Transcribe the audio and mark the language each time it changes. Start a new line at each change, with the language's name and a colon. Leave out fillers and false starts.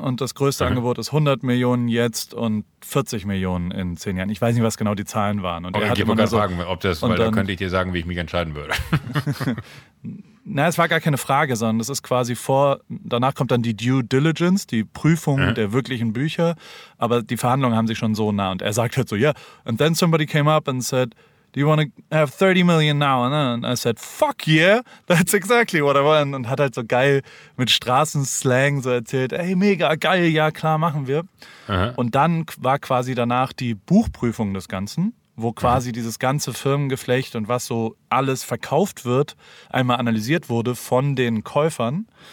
German: Und das größte Angebot ist 100 Millionen jetzt und 40 Millionen in 10 Jahren. Ich weiß nicht, was genau die Zahlen waren. Und okay, ich wollte gerade fragen, ob das, weil dann könnte ich dir sagen, wie ich mich entscheiden würde. Na, es war gar keine Frage, sondern das ist quasi vor, danach kommt dann die Due Diligence, die Prüfung der wirklichen Bücher. Aber die Verhandlungen haben sich schon so nah. Und er sagt halt so, yeah.
English: And then somebody came up and said, do you want to have 30 million now? And I said, fuck yeah, that's exactly what I want.
German: Und hat halt so geil mit Straßenslang so erzählt, ey, mega geil, ja klar, machen wir. Aha. Und dann war quasi danach die Buchprüfung des Ganzen, wo quasi dieses ganze Firmengeflecht und was so alles verkauft wird, einmal analysiert wurde von den Käufern.